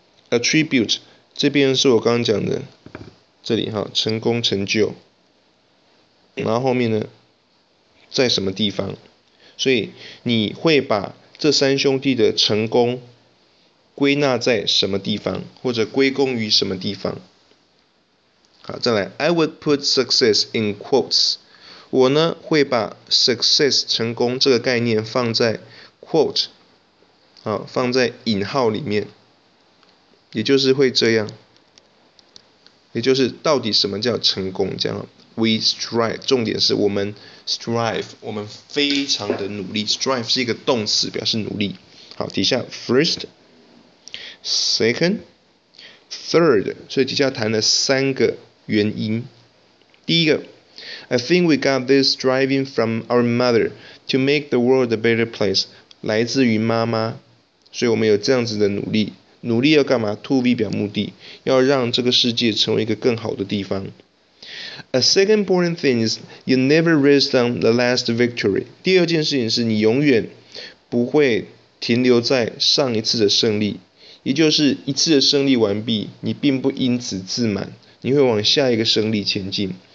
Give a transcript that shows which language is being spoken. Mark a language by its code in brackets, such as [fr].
[zh] attribute 这边是我刚刚讲的，这里哈，成功成就，然后后面呢，在什么地方？所以你会把这三兄弟的成功归纳在什么地方，或者归功于什么地方？好，再来 [en] ，I would put success in quotes。 [zh] 我呢会把 success 成功这个概念放在 quote， 好，放在引号里面，也就是会这样，也就是到底什么叫成功？这样 ， [en] we strive， [zh] 重点是我们 strive， 我们非常的努力 ，strive 是一个动词，表示努力。好，底下 [en] first。Second, third, [zh] 所以底下谈了三个原因。第一个 [en] ，I think we got this driving from our mother to make the world a better place， [zh] 来自于妈妈，所以我们有这样子的努力。努力要干嘛 ？ [en] To be [zh] 表目的，要让这个世界成为一个更好的地方。 [en] A second important thing is you never rest on the last victory。 [zh] 第二件事情是你永远不会停留在上一次的胜利。也就是一次的胜利完毕，你并不因此自满，你会往下一个胜利前进。